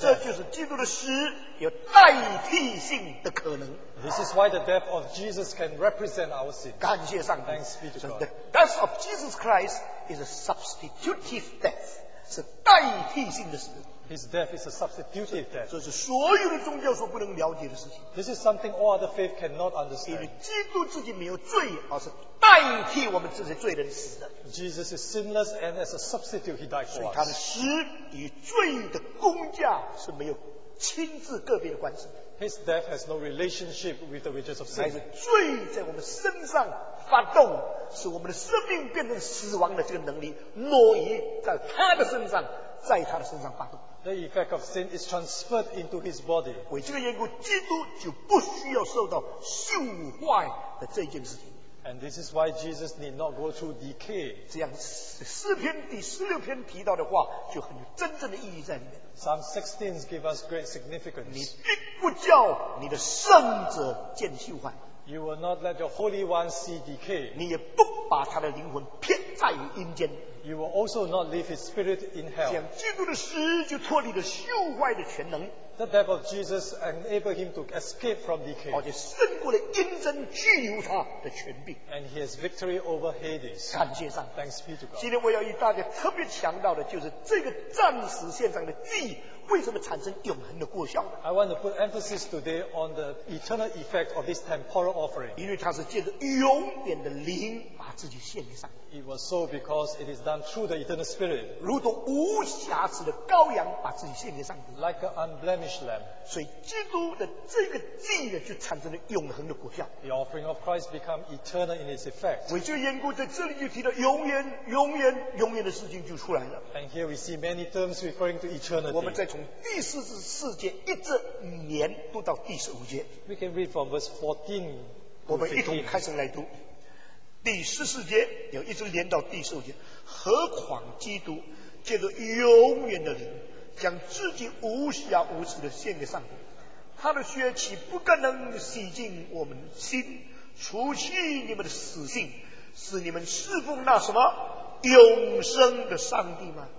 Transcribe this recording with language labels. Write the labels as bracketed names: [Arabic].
[Chinese] 这就是基督的死有代替性的可能。 [English] This is why the death of Jesus can represent our sin. [Chinese] 感谢上帝。 [English] Thanks be to God. The death of Jesus Christ is a substitutive death. [Chinese] 是代替性的死。 [English] His death is a substitutive death. [Chinese] 这是所有的宗教所不能了解的事情。 [English] This is something all other faith cannot understand. [Chinese] 因为基督自己没有罪，而是代替我们这些罪人死的。 [English] Jesus is sinless and as a substitute he died for us. [Chinese] 所以他的死与罪的工价是没有亲自个别的关系。 [English] His death has no relationship with the wages of sin. [Chinese] 乃是罪在我们身上发动，使我们的生命变成死亡的这个能力，挪移在他的身上，在他的身上发动。 [English] The effect of sin is transferred into his body. [Chinese] 为这个缘故，基督就不需要受到朽坏的这件事情。 [English] And this is why Jesus need not go through decay. [Chinese] 这样诗篇第十六篇提到的话，就很有真正的意义在里面。 [English] Psalm 16 gives us great significance. [Chinese] 你并不叫你的圣者见朽坏。 [English] You will not let your holy one see decay. [Chinese] 你也不把他的灵魂撇在于阴间。 [English] You will also not leave his spirit in hell. [Chinese] 这样基督的死就脱离了朽坏的权能。 [English] The death of Jesus enabled him to escape from decay. [Chinese] 而且胜过了阴间拘留他的权柄。 [English] And he has victory over Hades. [Chinese] 感谢上帝。 [English] Thanks be to God. [Chinese] 今天我要与大家特别强调的就是这个暂时现象的地为什么产生永恒的果效呢？ [English] I want to put emphasis today on the eternal effect of this temporal offering. [Chinese] 因为它是借着永远的灵把自己献给上帝。 [English] It was so because it is done through the eternal spirit. [Chinese] 如同无瑕疵的羔羊把自己献给上帝。 [English] Like an unblemished lamb. [Chinese] 所以基督的这个祭呢，就产生了永恒的果效。 [English] The offering of Christ become eternal in its effect. [Chinese] 为这个缘故，在这里就提到永远、永远、永远的事情就出来了。 [English] And here we see many terms referring to eternity. [Chinese] 我们在从第四十四节一直连读到第十五节。 [English] We can read from verse 14. [Chinese] 我们一同开始来读第十四节，有一直连到第十五节。何况基督借着永远的灵，将自己无瑕无疵的献给上帝，他的血岂不更能洗净我们的心，除去你们的死性，使你们侍奉那什么永生的上帝吗？